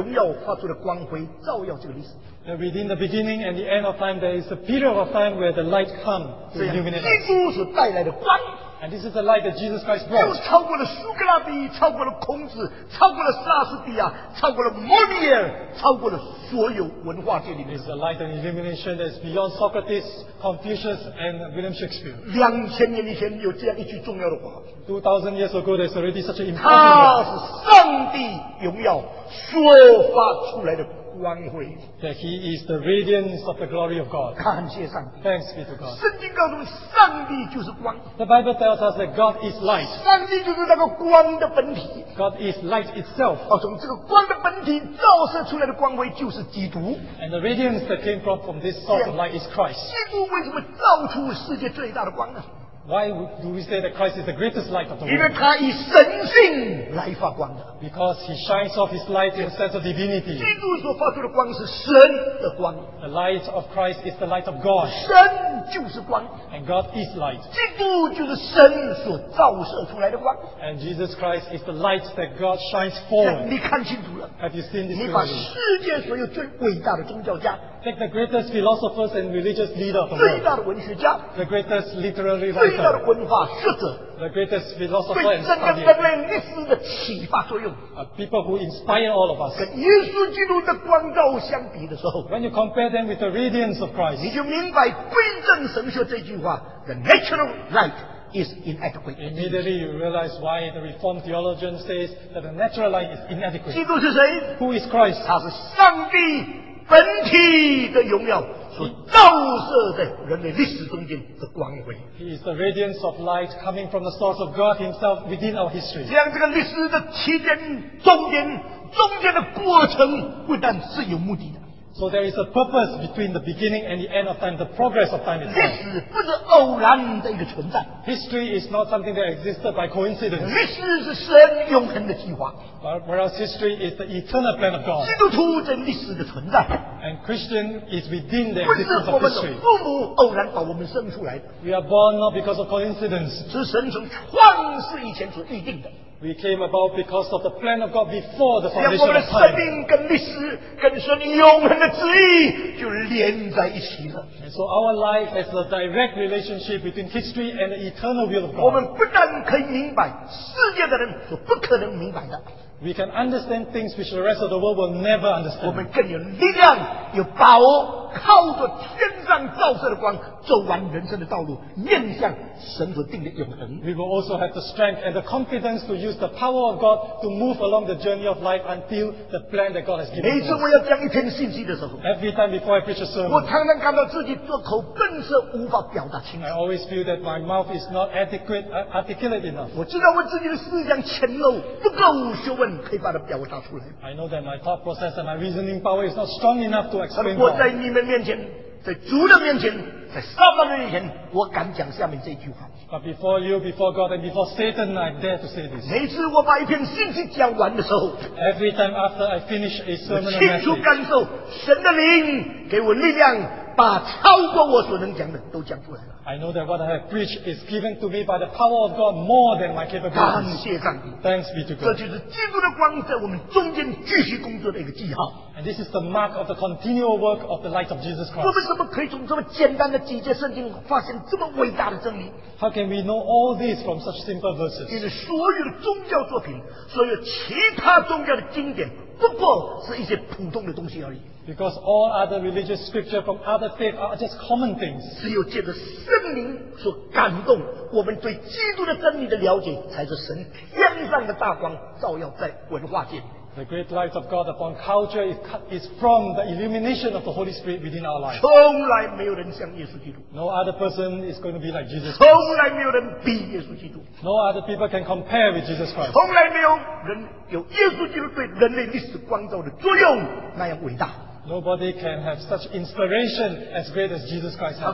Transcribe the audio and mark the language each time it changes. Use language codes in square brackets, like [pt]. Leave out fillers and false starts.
[zh] 基督为始点，基督为终点的历史过程中间，曾经有荣耀发出的光辉，照耀这个历史。 [en] That within the beginning and the end of time, there is a period of time where the light comes to illuminate. [zh] 基督所带来的光。 [en] And this is the light that Jesus Christ brought. [zh] 超过了苏格拉底，超过了孔子，超过了莎士比亚，超过了莫里耶，超过了所有文化界里面。 [en] It's the light and illumination that is beyond Socrates, Confucius, and William Shakespeare. [zh] 2000年以前有这样一句重要的话。 [en] 2000 years ago, there's already such an important word. [zh] 它是上帝荣耀说发出来的。 [en] That he is the radiance of the glory of God. [zh] 感谢上帝。 [en] Thanks be to God. [zh] 圣经告诉我们，上帝就是光。 [en] The Bible tells us that God is light. [zh] 上帝就是那个光的本体。 [en] God is light itself. [zh] 从这个光的本体照射出来的光辉就是基督。 [en] And the radiance that came from this source of light is Christ. [zh] 基督为什么照出世界最大的光呢？ [en] Why do we say that Christ is the greatest light of the world? [zh] 因为他以神性来发光的。 [en] Because he shines off his light in the sense of divinity. [zh] 基督所发出的光是神的光。 [en] The light of Christ is the light of God. [zh] 神就是光。 [en] And God is light. [zh] 基督就是神所照射出来的光。 [en] And Jesus Christ is the light that God shines forth. [zh] 你看清楚了。 [en] Have you seen this? [zh] 你把世界所有最伟大的宗教家。 [en] Take the greatest philosophers and religious leaders of the world. [zh] 最大的文学家。 [en] The greatest literary writer. [zh] 最大的文化学者。 [en] The greatest philosopher and scholar. People who inspire all of us. [zh] 跟耶稣基督的光照相比的时候， [en] When you compare them with the radiance of Christ, [zh] 你就明白归正神学这句话， [en] The natural light is inadequate. Immediately you realize why the Reformed theologian says that the natural light is inadequate. [zh] 基督是谁？ [en] Who is Christ? [zh] 他是上帝。本体的荣耀所照射在人类历史中间的光辉。 [en] He is the radiance of light coming from the source of God himself within our history. [zh] 这样这个历史的起点、终点、中间的过程不但是有目的的。 [en] So there is a purpose between the beginning and the end of time, the progress of time itself. [zh] 历史不是偶然的一个存在。 [en] History is not something that existed by coincidence. [zh] 历史是神永恒的计划。 [en] Whereas history is the eternal plan of God. [zh] 基督徒在历史的存在。 [en] And Christian is within the existence of history. [zh] 不是我们的父母偶然把我们生出来的。 [en] We are born not because of coincidence. [zh] 是神从创世以前所预定的。 [en] We came about because of the plan of God before the foundation of time. And so our life has a direct relationship between history and the eternal will of God. We can understand things which the rest of the world will never understand. [zh] 我们更有力量，有把握，靠着天上照射的光，走完人生的道路，面向神所定的永恒。 [en] We will also have the strength and the confidence to use the power of God to move along the journey of life until the plan that God has given us. [zh] 每次我要讲一篇信息的时候 [en] ，Every time before I preach a sermon， [zh] 我常常感到自己做口笨舌，无法表达清楚。 [en] I always feel that my mouth is not adequate, articulate enough. [zh] 我知道我自己的思想浅陋，不够学问可以把它表达出来。 [en] I know that my thought process and my reasoning power is not strong enough to explain it. [zh] 我在你们面前，在主的面前，在撒旦的面前，我敢讲下面这句话。 [en] But before you, before God, and before Satan, I dare to say this. [zh] 每次我把一篇信息讲完的时候 [en] ，Every time after I finish a sermon, [zh] 我清楚感受神的灵给我力量，把超过我所能讲的都讲出来了。 [en] I know that what I have preached is given to me by the power of God more than my capabilities. Thanks be to God. [zh] 这就是基督的光在我们中间继续工作的一个记号。 [en] And this is the mark of the continual work of the light of Jesus Christ. [zh] 我们怎么可以从这么简单的几节圣经发现这么伟大的真理？ [en] How can we know all this from such simple verses? [zh] 因为所有的宗教作品，所有其他宗教的经典，不过是一些普通的东西而已。 [en] Because all other religious scripture from other faith are just common things. [zh] 只有借着圣灵所感动，我们对基督的真理的了解，才是神天上的大光照耀在文化界。 [en] The great light of God upon culture is from the illumination of the Holy Spirit within our lives. [zh] 从来没有人像耶稣基督。 [en] No other person is going to be like Jesus. [zh] 从来没有人比耶稣基督。 [en] No other people can compare with Jesus Christ. [zh] 从来没有人有耶稣基督对人类历史光照的作用那样伟大。 [en] Nobody can have such inspiration as great as Jesus Christ has.